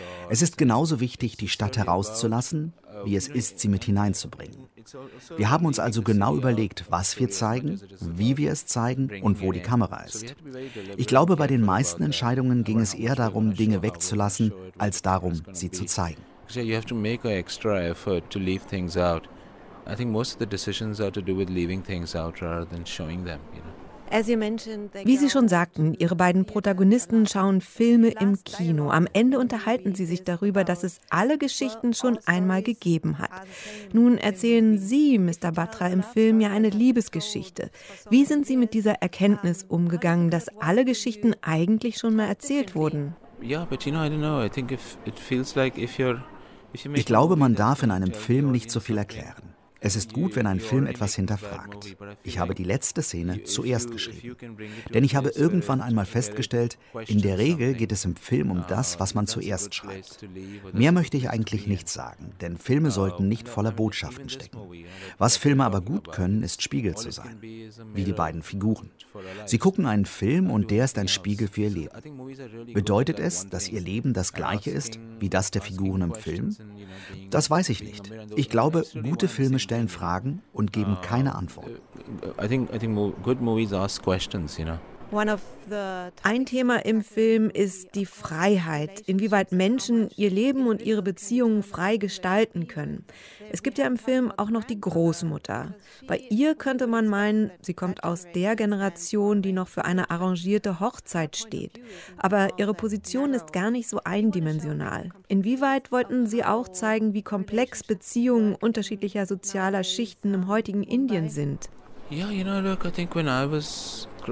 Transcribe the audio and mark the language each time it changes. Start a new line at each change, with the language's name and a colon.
German: Es ist genauso wichtig, die Stadt herauszulassen, wie es ist, sie mit hineinzubringen. Wir haben uns also genau überlegt, was wir zeigen, wie wir es zeigen und wo die Kamera ist. Ich glaube, bei den meisten Entscheidungen ging es eher darum, Dinge wegzulassen, als darum, sie zu zeigen.
English: You have to make an extra effort to leave things out. I think most of the decisions are to do with leaving things out rather than showing them, you know.
German: Wie Sie schon sagten, Ihre beiden Protagonisten schauen Filme im Kino. Am Ende unterhalten sie sich darüber, dass es alle Geschichten schon einmal gegeben hat. Nun erzählen Sie, Mr. Batra, im Film ja eine Liebesgeschichte. Wie sind Sie mit dieser Erkenntnis umgegangen, dass alle Geschichten eigentlich schon mal erzählt wurden? Ja, aber ich weiß nicht. Ich denke, es fühlt sich, wenn Sie... Ich glaube, man darf in einem Film nicht so viel erklären. Es ist gut, wenn ein Film etwas hinterfragt. Ich habe die letzte Szene zuerst geschrieben. Denn ich habe irgendwann einmal festgestellt, in der Regel geht es im Film um das, was man zuerst schreibt. Mehr möchte ich eigentlich nicht sagen, denn Filme sollten nicht voller Botschaften stecken. Was Filme aber gut können, ist Spiegel zu sein. Wie die beiden Figuren. Sie gucken einen Film und der ist ein Spiegel für ihr Leben. Bedeutet es, dass ihr Leben das gleiche ist, wie das der Figuren im Film? Das weiß ich nicht. Ich glaube, gute Filme stellen Fragen und geben keine Antworten.
English: I think good movies ask questions, you know.
German: Ein Thema im Film ist die Freiheit, inwieweit Menschen ihr Leben und ihre Beziehungen frei gestalten können. Es gibt ja im Film auch noch die Großmutter. Bei ihr könnte man meinen, sie kommt aus der Generation, die noch für eine arrangierte Hochzeit steht. Aber ihre Position ist gar nicht so eindimensional. Inwieweit wollten Sie auch zeigen, wie komplex Beziehungen unterschiedlicher sozialer Schichten im heutigen Indien sind?
English: Ja, you know, look, I think when I was